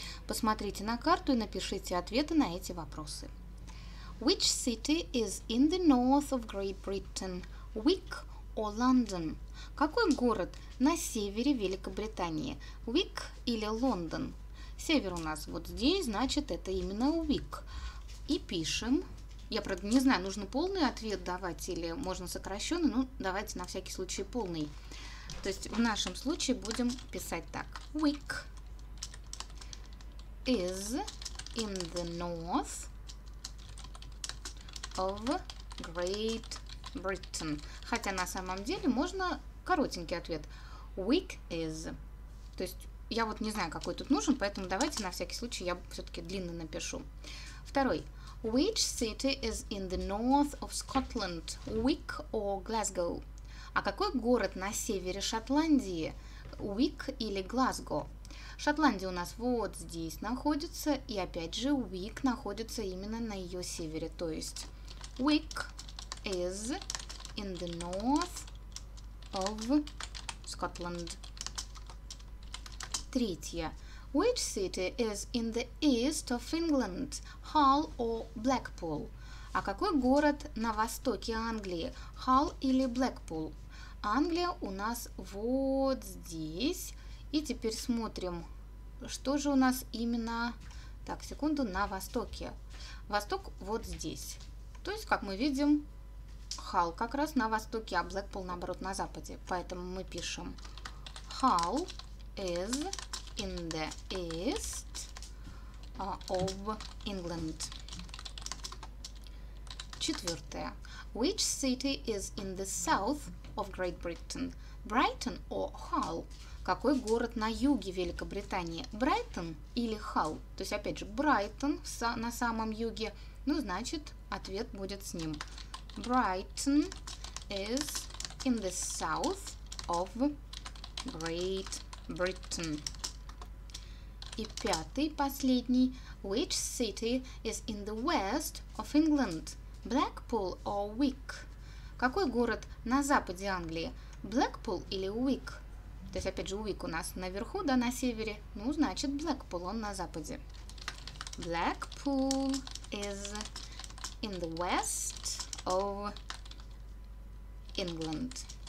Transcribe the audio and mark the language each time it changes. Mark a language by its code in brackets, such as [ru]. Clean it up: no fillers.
[ru] Посмотрите на карту и напишите ответы на эти вопросы. [en] Which city is in the north of Great Britain? Wick or London? [ru] Какой город на севере Великобритании? Wick или Лондон? Север у нас вот здесь, значит, это именно Wick. И пишем. Я, правда, не знаю, нужно полный ответ давать или можно сокращенный, но давайте на всякий случай полный. То есть в нашем случае будем писать так. [en] Wick is in the north of Great Britain. [ru] Хотя на самом деле можно коротенький ответ. [en] Wick is. [ru] То есть я вот не знаю, какой тут нужен, поэтому давайте на всякий случай я все-таки длинный напишу. Второй. [en] Which city is in the north of Scotland? Wick or Glasgow? [ru] А какой город на севере Шотландии? Wick или Glasgow? Шотландия у нас вот здесь находится, и опять же Wick находится именно на ее севере, то есть [en] Wick is in the north of Scotland. [ru] Третье. [en] Which city is in the east of England? Hull or Blackpool? [ru] А какой город на востоке Англии? Hull или Blackpool? Англия у нас вот здесь. И теперь смотрим, что же у нас именно... Так, секунду, на востоке. Восток вот здесь. То есть, как мы видим, Hull как раз на востоке, а Blackpool, наоборот, на западе. Поэтому мы пишем [en] Hull is... In the east of England. [ru] Четвертое. [en] Which city is in the south of Great Britain? Brighton or Hull? [ru] Какой город на юге Великобритании? Brighton или Hull? То есть, опять же, Brighton на самом юге. Ну, значит, ответ будет с ним. [en] Brighton is in the south of Great Britain. [ru] И пятый, последний. [en] Which city is in the west of England? Blackpool or Wick? [ru] Какой город на западе Англии? Blackpool или Wick? То есть, опять же, Wick у нас наверху, да, на севере. Ну, значит, Blackpool, он на западе. [en] Blackpool is in the west of England.